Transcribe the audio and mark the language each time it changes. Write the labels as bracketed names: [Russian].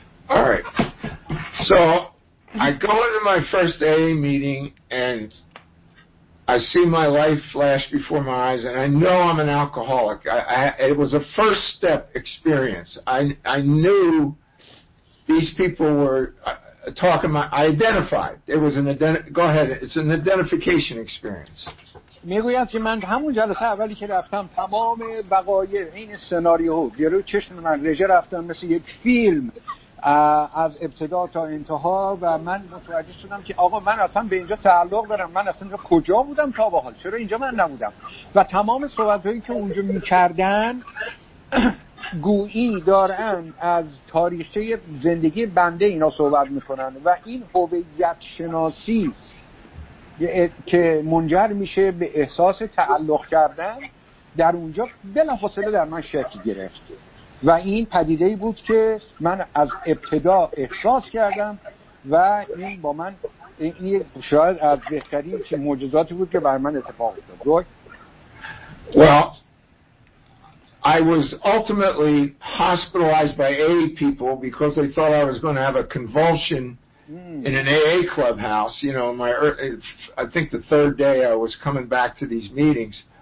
[English] alright so I go to my first AA meeting and I see my life flash before my eyes and I know I'm an alcoholic. It was a first step experience. I knew these people were talking about, I identified. It was go ahead, it's an identification experience. [Persian] میگویند که من همون جلسه اولی که رفتم تمام بقایع این سناریو جلوی چشم من رژه رفتم مثل یک فیلم از ابتدا تا انتها و من متوجه شدم که آقا من اصلا به اینجا تعلق دارم، من اصلا کجا بودم تا به حال، چرا اینجا من نبودم و تمام صحبتهایی که اونجا میکردن گویی دارن از تاریخچه زندگی بنده اینا صحبت میکنن و این هویت شناسی که منجر میشه به احساس تعلق کردن در اونجا بلافاصله در من شکل گرفت و این پدیده‌ای بود که من از ابتدا احساس کردم و این با من این شاید از بهترین چیز معجزاتی بود که بر من اتفاق افتاد. [English] Well, I was ultimately hospitalized by AA people because they thought I was going to have a convulsion in an AA clubhouse. You know, I think the third day I was coming back to these meetings.